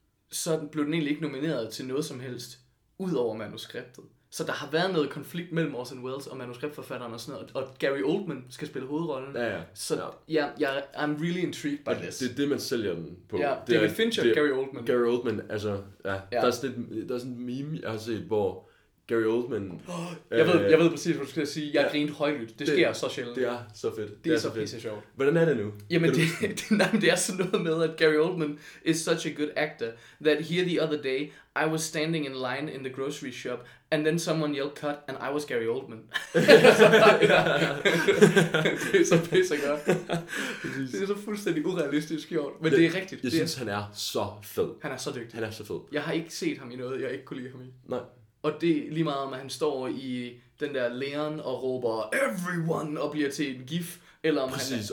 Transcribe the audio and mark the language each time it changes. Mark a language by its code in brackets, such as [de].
[da] Så blev den egentlig ikke nomineret til noget som helst, ud over manuskriptet. Så der har været noget konflikt mellem Orson Welles og manuskriptforfatteren og sådan noget, og Gary Oldman skal spille hovedrollen. Ja, ja. Så ja, [en] I'm really intrigued by this. [da] Det er det, man sælger den på. Ja, det David Fincher, Gary Oldman. Gary Oldman, altså, ja. Ja. Der er sådan et meme, jeg har set, hvor Gary Oldman... Jeg ved præcis, hvad du skal sige. Jeg grinte højlydt. Det sker så sjældent. Det er så fedt. Det er så pisse sjovt. Hvordan er det nu? Jamen, det er sådan noget med, at [en] Gary Oldman is such a good actor, that here the other day, I was standing in line in the grocery shop, and then someone yelled cut, and I was Gary Oldman. [da] Det er så pisse godt. Det er så fuldstændig urealistisk gjort. Men det er rigtigt. Jeg synes, han er så fed. Han er så dygtig. Han er så fed. Jeg har ikke set ham i noget, jeg ikke kunne lide ham i. Nej. Og det er lige meget om, at han står i den der læren og råber everyone og bliver til en gif, eller om præcis.